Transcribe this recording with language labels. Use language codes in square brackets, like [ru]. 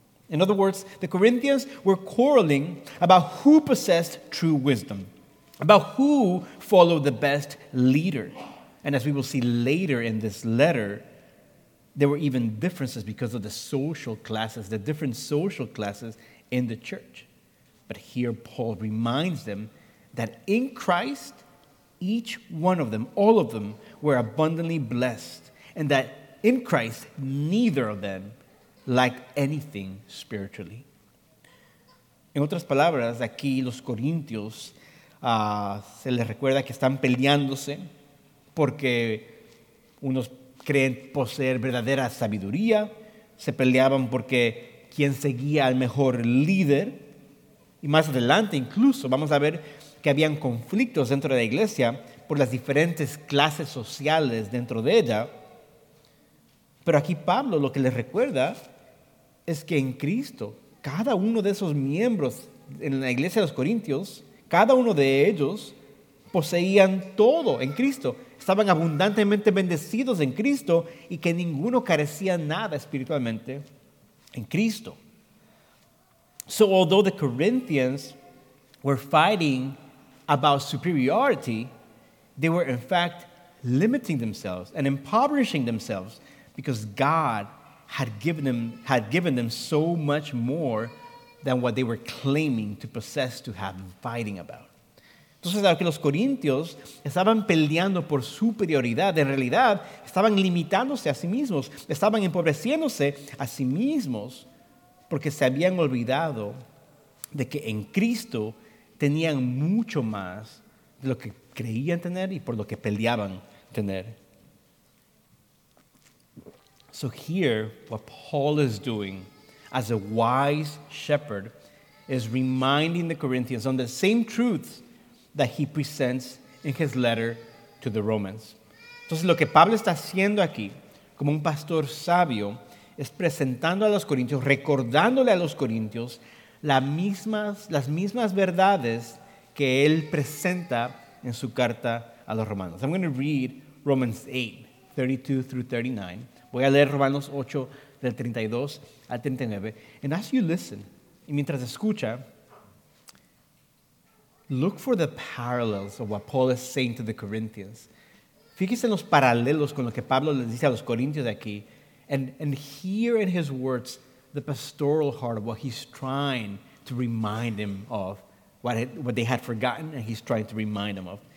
[en] In other words, the Corinthians were quarreling about who possessed true wisdom, about who followed the best leader. And as we will see later in this letter, there were even differences because of the social classes, the different social classes in the church. But here Paul reminds them that in Christ, each one of them, all of them, were abundantly blessed, and that in Christ, neither of them lacked anything spiritually. [es] En otras palabras, aquí los corintios se les recuerda que están peleándose porque unos creen poseer verdadera sabiduría, se peleaban porque quién seguía al mejor líder, y más adelante incluso vamos a ver que habían conflictos dentro de la iglesia por las diferentes clases sociales dentro de ella. Pero aquí Pablo lo que les recuerda es que en Cristo, cada uno de esos miembros en la iglesia de los corintios, cada uno de ellos poseían todo en Cristo. Estaban abundantemente bendecidos en Cristo y que ninguno carecía nada espiritualmente en Cristo. [en] So although the Corinthians were fighting about superiority, they were in fact limiting themselves and impoverishing themselves because God had given them so much more than what they were claiming to possess, to have been fighting about. [es] Entonces, aunque los corintios estaban peleando por superioridad, en realidad estaban limitándose a sí mismos, estaban empobreciéndose a sí mismos porque se habían olvidado de que en Cristo tenían mucho más de lo que creían tener y por lo que peleaban tener. [en] So here, what Paul is doing as a wise shepherd is reminding the Corinthians on the same truths that he presents in his letter to the Romans. [es] Entonces, lo que Pablo está haciendo aquí, como un pastor sabio, es presentando a los corintios, recordándole a los corintios las mismas verdades que él presenta en su carta a los romanos. [en] I'm going to read Romans 8:32-39. [es] Voy a leer Romanos 8, del 32 al 39. [en] And as you listen, [es] y mientras escucha, [en] look for the parallels of what Paul is saying to the Corinthians. [es] Fíjense en los paralelos con lo que Pablo les dice a los corintios de aquí. [en] And hear in his words the pastoral heart of what he's trying to remind him of, what they had forgotten and he's trying to remind them of.